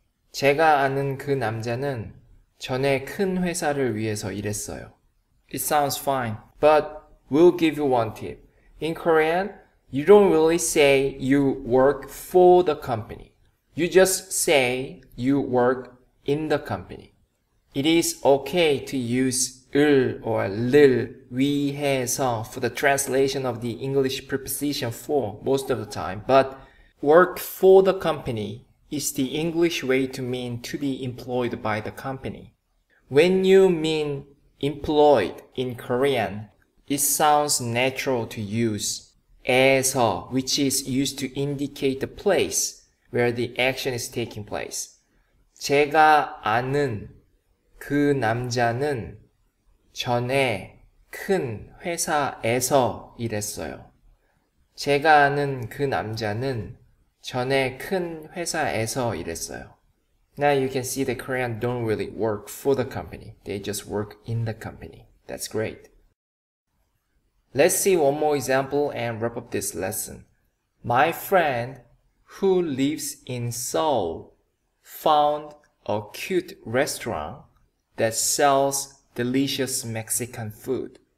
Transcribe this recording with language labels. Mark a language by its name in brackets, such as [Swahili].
[English] 제가 아는 그 남자는 전에 큰 회사를 위해서 일했어요. It sounds fine, but we'll give you one tip. In Korean, you don't really say you work for the company. You just say you work in the company. It is okay to use 을 or 를 위해서 for the translation of the English preposition for most of the time, but work for the company is the English way to mean to be employed by the company. When you mean employed in Korean, it sounds natural to use 에서, which is used to indicate the place where the action is taking place. [Korean] 제가 아는 그 남자는 전에 큰 회사에서 일했어요. 제가 아는 그 남자는 전에 큰 회사에서 일했어요. [English] Now you can see the Korean don't really work for the company. They just work in the company. That's great. Let's see one more example and wrap up this lesson. My friend who lives in Seoul found a cute restaurant that sells delicious Mexican food.